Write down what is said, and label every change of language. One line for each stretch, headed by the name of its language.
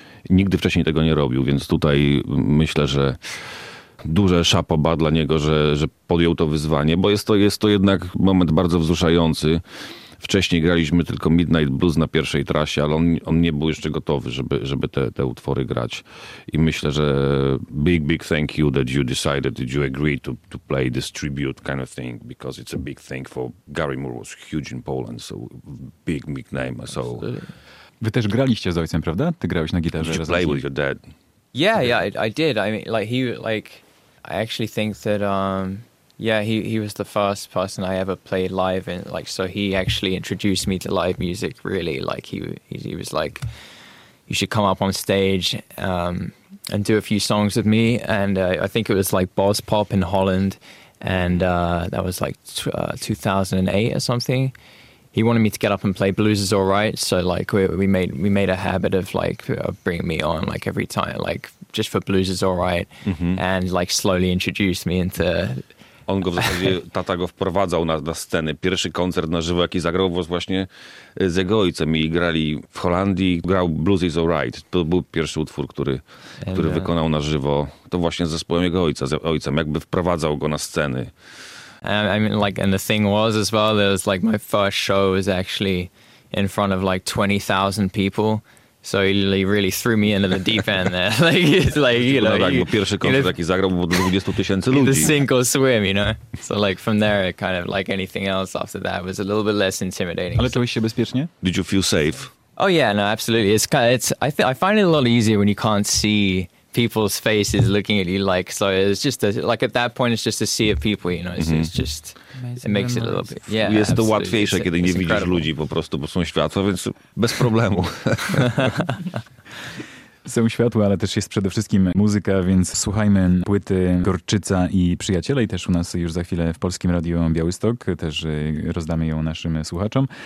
Polish: Nigdy wcześniej tego nie robił, więc tutaj myślę, że duże szapoba dla niego, że podjął to wyzwanie, bo jest to jednak moment bardzo wzruszający. Wcześniej graliśmy tylko Midnight Blues na pierwszej trasie, ale on nie był jeszcze gotowy, żeby te utwory grać. I myślę, że
English: big, big thank you that you decided, that you agreed to play this tribute kind of thing, because it's a big thing for Gary Moore was huge in Poland, so big, big name. So.
Polish: Wy też graliście z ojcem, prawda? Ty grałeś na gitarze.
English: Did you play with your dad? Yeah, I did. I mean, like, I actually think that... he was the first person I ever played live in, like, so he actually introduced me to live music, really. Like, he was like, you should come up on stage, and do a few songs with me. And I think it was like Boz Pop in Holland. And that was like 2008 or something. He wanted me to get up and play Blues Is All Right. So like we made a habit of like bringing me on like every time, like just for Blues Is All Right. Mm-hmm. And like slowly introduced me into...
Polish: On go w zasadzie, tata go wprowadzał na scenę. Pierwszy koncert na żywo, jaki zagrał
English: was
Polish: właśnie z jego ojcem i grali w Holandii. Grał Blues Is Alright. To był pierwszy utwór, który wykonał na żywo. To właśnie z zespołem jego ojca, z ojcem. Jakby wprowadzał go na sceny.
English: I mean, like, and the thing was as well, it was like my first show was actually in front of like 20,000 people. So he really threw me into the deep end there. Like, it's like, you know,
Polish: tak, bo pierwszy koncert, jaki zagrał, było 20 tysięcy ludzi.
English: The sink or swim, you know? So like from there, it kind of like anything else after that was a little bit less intimidating.
Polish: Ale czułeś się bezpiecznie?
English: Did you feel safe? Oh yeah, no, absolutely. I find it a lot easier when you can't see people's faces looking at you, like, so it's just, like, at that point, it's just a sea of people, you know, it's just, it makes it a little bit, yeah.
Polish: Jest to łatwiejsze, kiedy nie widzisz
English: incredible.
Polish: Ludzi po prostu, bo są światła, więc bez problemu. Są światła, ale też jest przede wszystkim muzyka, więc słuchajmy płyty Gorczyca i Przyjaciele i też u nas już za chwilę w Polskim Radiu Białystok, też rozdamy ją naszym słuchaczom.